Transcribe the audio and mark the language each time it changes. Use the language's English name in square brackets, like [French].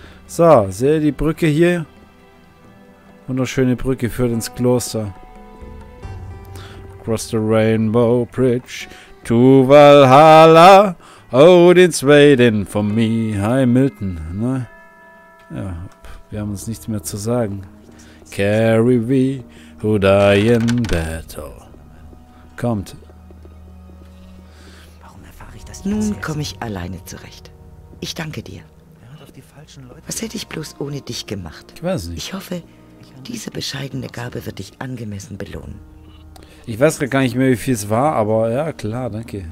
[German] So, sehe die Brücke hier. Wunderschöne Brücke führt ins Kloster. [English] Across the Rainbow Bridge to Valhalla. Odin's Waden for me. Hi, Milton. Ne? [German] Ja, wir haben uns nichts mehr zu sagen. [English] Carry me, who die in battle. [German] Kommt. Nun komme ich alleine zurecht. Ich danke dir. Was hätte ich bloß ohne dich gemacht? Ich weiß nicht. Ich hoffe, diese bescheidene Gabe wird dich angemessen belohnen. Ich weiß gar nicht mehr, wie viel es war, aber ja, klar, danke.